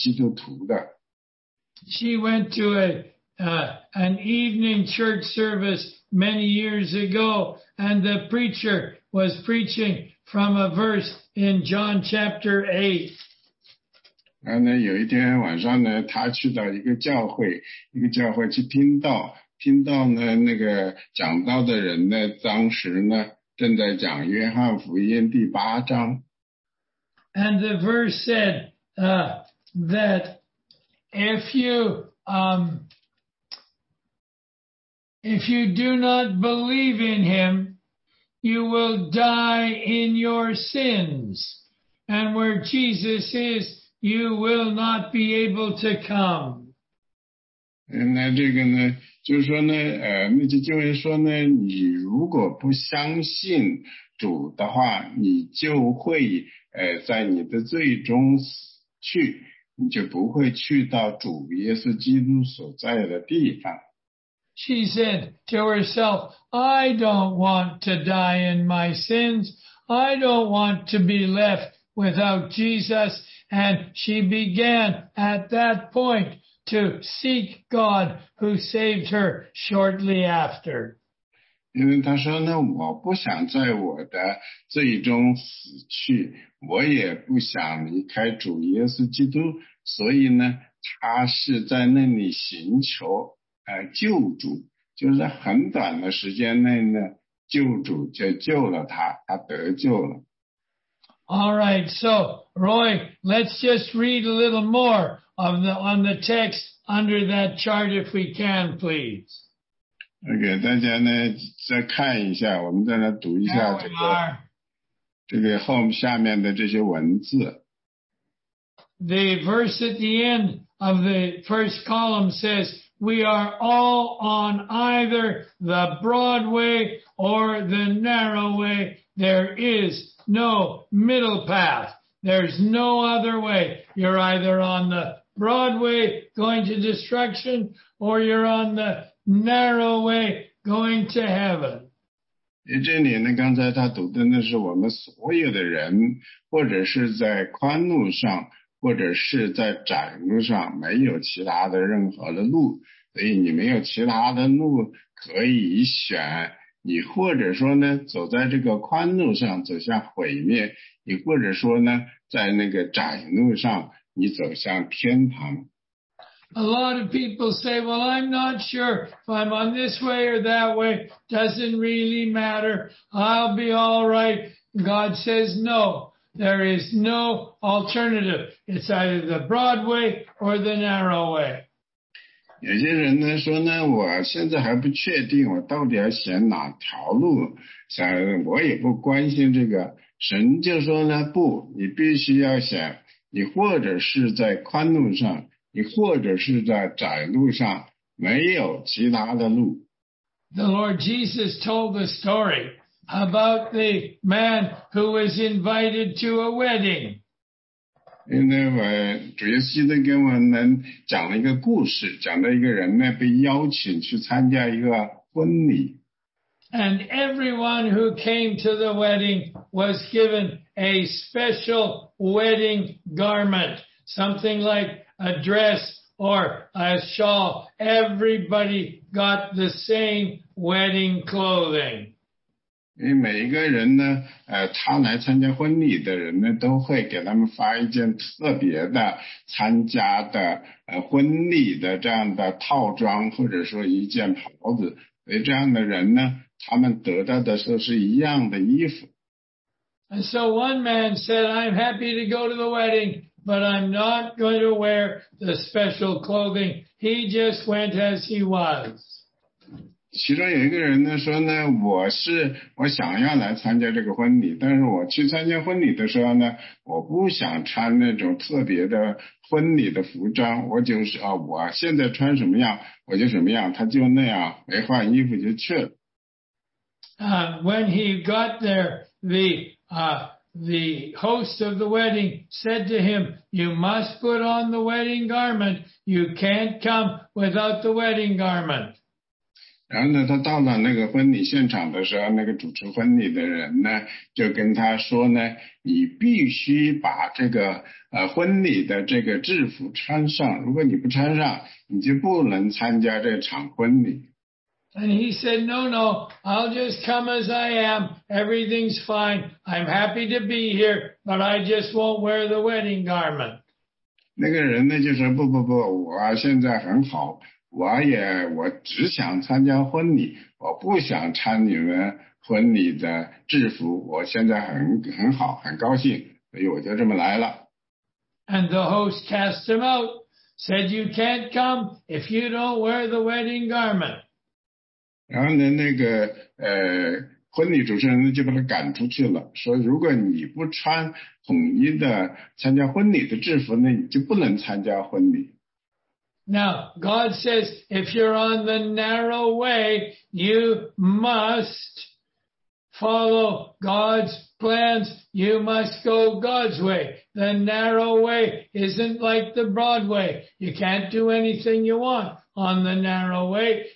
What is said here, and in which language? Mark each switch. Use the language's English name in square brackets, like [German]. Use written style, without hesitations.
[Chinese] 我今天呢读到了一本书，读到一本书呢，是我婶婶写的，她写的呢，她在里面描述了她是怎样成为一个基督徒的。 [English] She went to an evening church service many years ago, and the preacher was preaching from a verse in John chapter 8. [Chinese] 然后呢，有一天晚上呢，她去到一个教会，一个教会去听到。听到呢，那个讲道的人呢，当时呢正在讲约翰福音第八章。 [English] And the verse said that if you do not believe in him, you will die in your sins. And where Jesus is, you will not be able to come. [Chinese] 那这个呢？就是说呢，牧师经文说呢，你如果不相信主的话，你就会在你的罪中死去，你就不会去到主耶稣基督所在的地方。 [English] She said to herself, I don't want to die in my sins. I don't want to be left without Jesus. And she began at that point to seek God who saved her shortly after. [Chinese] 因为她说呢，我不想在我的罪中死去，我也不想离开主耶稣基督，所以呢，她是在那里寻求救主，就是很短的时间内呢，救主就救了他，他得救了。 [English] All right, so Roy, let's just read a little more of the, on the text under that chart if we can, please. [Chinese] OK, 大家呢再看一下，我们再来读一下这个后下面的这些文字。 [English] The verse at the end of the first column says,We are all on either the broad way or the narrow way. There is no middle path. There's no other way. You're either on the broad way going to destruction or you're on the narrow way going to heaven. [Chinese] 这里呢，刚才他读的那是我们所有的人，或者是在宽路上。或者是在窄路上没有其他的任何的路，所以你没有其他的路可以选，你或者说呢走在这个宽路上走向毁灭，你或者说呢在那个窄路上你走向天堂。 [English] A lot of people say, well, I'm not sure if I'm on this way or that way, doesn't really matter, I'll be all right. God says no. There is no alternative. It's either the broad way or the narrow way. [Chinese] 有些人呢说呢，我现在还不确定我到底要选哪条路，我也不关心这个。神就说呢，不，你必须要选，你或者是在宽路上，你或者是在窄路上，没有其他的路。 [English] The Lord Jesus told the story. About the man who was invited to a wedding. [Chinese] 因为主耶稣呢跟我们讲了一个故事，讲到一个人呢被邀请去参加一个婚礼。 [English] And everyone who came to the wedding was given a special wedding garment, something like a dress or a shawl. Everybody got the same wedding clothing. [Chinese] 因为每一个人呢，他来参加婚礼的人呢，都会给他们发一件特别的参加的婚礼的这样的套装，或者说一件袍子。所以这样的人呢，他们得到的都是一样的衣服。 [English] And so one man said, "I'm happy to go to the wedding, but I'm not going to wear the special clothing." He just went as he was. [Chinese] 其中有一个人呢说呢，我想要来参加这个婚礼，但是我去参加婚礼的时候呢，我不想穿那种特别的婚礼的服装，我就是啊，我现在穿什么样我就什么样，他就那样没换衣服就去了。 [English] When he got there, the host of the wedding said to him, "You must put on the wedding garment. You can't come without the wedding garment." [Chinese] 然后呢，他到了那个婚礼现场的时候，那个主持婚礼的人呢，就跟他说呢，你必须把这个婚礼的这个制服穿上，如果你不穿上，你就不能参加这场婚礼。 [English] And he said, no, no, I'll just come as I am, everything's fine, I'm happy to be here, but I just won't wear the wedding garment. [Chinese] 那个人呢，就说，不不不，我现在很好。我只想参加婚礼，我不想穿你们婚礼的制服，我现在很好，很高兴，所以我就这么来了。 [English] And the host cast him out, said, "You can't come if you don't wear the wedding garment." [Chinese] 然后呢，那个婚礼主持人就把他赶出去了，说如果你不穿统一的参加婚礼的制服，那你就不能参加婚礼。 [English] Now, God says, if you're on the narrow way, you must follow God's plans. You must go God's way. The narrow way isn't like the broad way. You can't do anything you want on the narrow way.